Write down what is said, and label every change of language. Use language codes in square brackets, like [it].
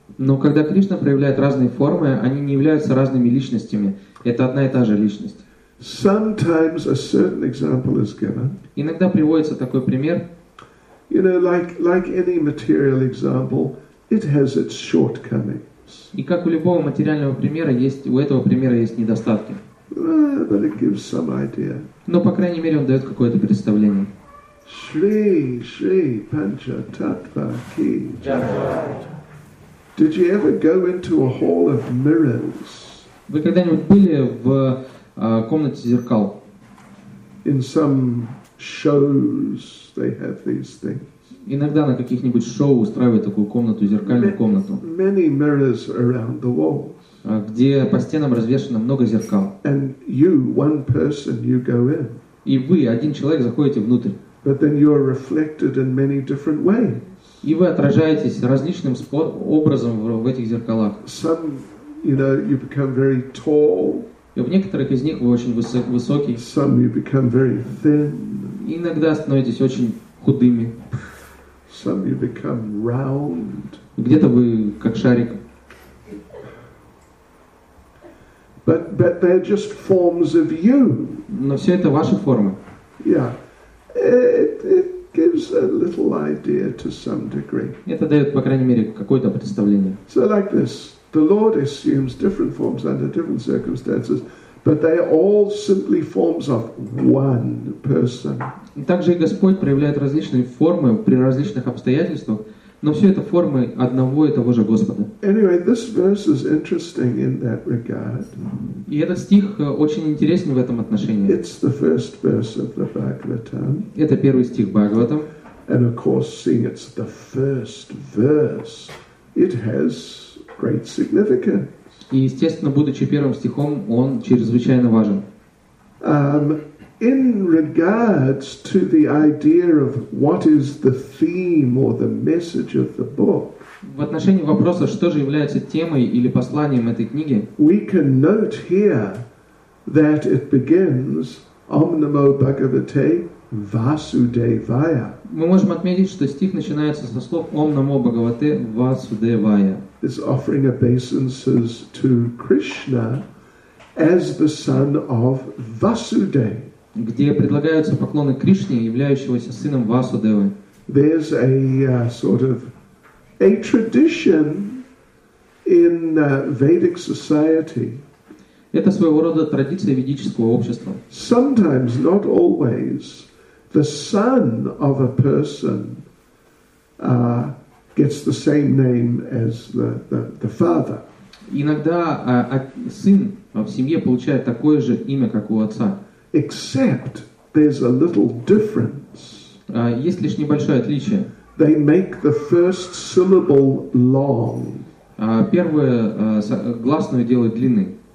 [ru] Но когда Кришна проявляет разные формы, они не являются разными личностями. Это одна и та же личность. [en] Sometimes a certain example is given. [ru] Иногда приводится такой пример. [en] You know, like any material example, it has its shortcomings. [ru] И как у любого материального примера есть, у этого примера есть недостатки. [en] But it gives some idea. [ru] Но по крайней мере он дает какое-то представление. [hi] Shri Shri Pancha Tattva Ki Jai. [en] Did you ever go into a hall of mirrors? [ru] Вы когда-нибудь были в комнате зеркал? [en] In some shows they have these things. [ru] Иногда на каких-нибудь шоу устраивают такую комнату, зеркальную комнату. [en] Many mirrors around the walls. [ru] Где по стенам развешано много зеркал. [en] And you, one person, you go in. [ru] И вы, один человек, заходите внутрь. [en] But then you are reflected in many different ways. [ru] И вы отражаетесь различным образом в этих зеркалах. [en] Some you know, you become very tall. [ru] И в некоторых из них вы очень высокий. [en] Some you become very thin. [ru] Иногда становитесь очень худыми. [en] Some you become round. [ru] Где-то вы как шарик. [en] But they're just forms of you. [ru] Но все это ваши формы. [en] Yeah. It gives a little idea to some degree. [ru] Это дает, по крайней мере, какое-то представление. [en] So like this. The Lord assumes different forms under different circumstances, but they are all simply forms of one person. [ru] Также и Господь проявляет различные формы при различных обстоятельствах, но все это формы одного и того же Господа. [en] Anyway, this verse is interesting in that regard. [ru] И этот стих очень интересен в этом отношении. [en] It's the first verse of the Bhagavatam. [ru] Это первый стих Бхагаватам. [en] And of course, seeing it's the first verse, it has great significance. [ru] И естественно, будучи первым стихом, он чрезвычайно важен. [en] In regards to the idea of what is the theme or the message of the book. [ru] В отношении вопроса, что же является темой или посланием этой книги. [en] We can note here that it begins [sa] Om Namo Bhagavate Vasudevaya. [ru] Мы можем отметить, что стих начинается со слов [sa] Om Namo Bhagavate Vasudevaya. [en] Is offering obeisances to Krishna as the son of Vasudev. [ru] Где предлагаются поклоны Кришне, являющегося сыном Васудевы. [en] There's a sort of a tradition in Vedic society. [ru] Это своего рода традиция ведического общества. [en] Sometimes, not always, the son of a person gets the same name as the father. [ru] Иногда сын в семье получает такое же имя, как у отца. [en] Except there's a little difference. [ru] Есть лишь небольшое отличие. [en] They make the first syllable long. [ru] Первую гласную делают длинной.